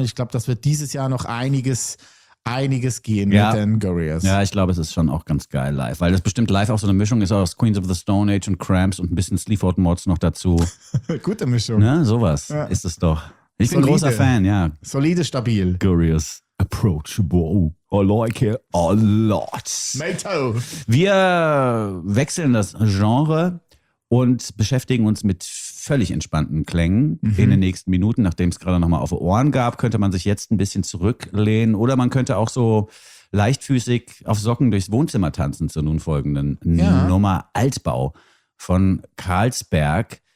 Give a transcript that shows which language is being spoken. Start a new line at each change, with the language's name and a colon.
German: Ich glaube, das wird dieses Jahr noch einiges gehen mit den Gurriers. Ja, ich glaube, es ist schon auch ganz geil live, weil das bestimmt live auch so eine Mischung ist aus Queens of the Stone Age und Cramps und ein bisschen Sleaford Mods noch dazu. Gute Mischung. Ne, sowas ist es doch. Ich bin ein großer Fan, ja. Solide, stabil.
English: Gurriers, Approachable. I like it a lot. Mato.
German: Wir wechseln das Genre und beschäftigen uns mit völlig entspannten Klängen in den nächsten Minuten, nachdem es gerade nochmal auf Ohren gab, könnte man sich jetzt ein bisschen zurücklehnen oder man könnte auch so leichtfüßig auf Socken durchs Wohnzimmer tanzen zur nun folgenden Nummer Altbau von Carlsberg.